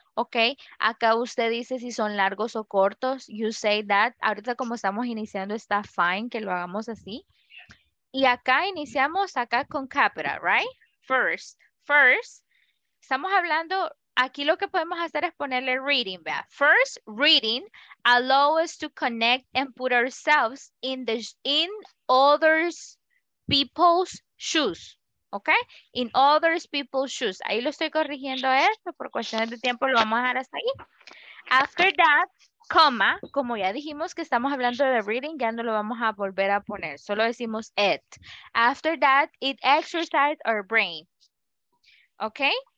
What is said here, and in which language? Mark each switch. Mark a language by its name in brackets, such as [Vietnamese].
[Spanish] Okay, acá usted dice si son largos o cortos. [English] You say that. [Spanish] Ahorita como estamos iniciando está fine que lo hagamos así. Y acá iniciamos acá con capital, right? First, estamos hablando. Aquí lo que podemos hacer es ponerle reading, ¿vea? [English] First, reading allows us to connect and put ourselves in the in other people's shoes, ¿ok? In other people's shoes. [Spanish] Ahí lo estoy corrigiendo esto, por cuestiones de tiempo lo vamos a dejar hasta ahí. [English] After that, [Spanish] comma, como ya dijimos que estamos hablando de reading, ya no lo vamos a volver a poner, solo decimos it. [English] After that, it exercises our brain, ¿ok?